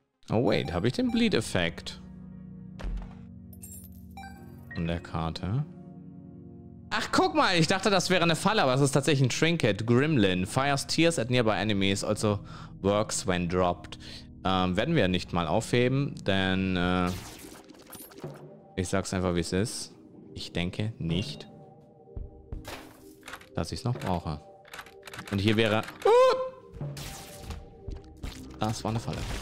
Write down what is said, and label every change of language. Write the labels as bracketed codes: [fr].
[en] Oh wait, [de] habe ich den Bleed-Effekt? An der Karte. Ach, guck mal, ich dachte, das wäre eine Falle, aber es ist tatsächlich ein Trinket. Gremlin. [en] Fires tears at nearby enemies, also works when dropped. [de] Werden wir nicht mal aufheben, denn ich sag's einfach, wie es ist. Ich denke nicht, dass ich es noch brauche. Und hier wäre... Das war eine Falle.